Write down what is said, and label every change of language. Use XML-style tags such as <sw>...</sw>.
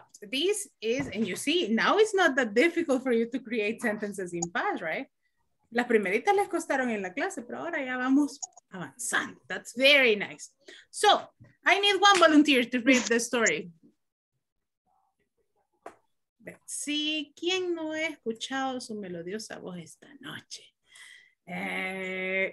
<en>This is, and you see, now it's not that difficult for you to create sentences in past, right?</en> <es>Las primeritas les costaron en la clase, pero ahora ya vamos avanzando.</es> <en>That's very nice. So, I need one volunteer to read the story. Let's see,</en> <es>¿quién no ha escuchado su melodiosa voz esta noche?</es>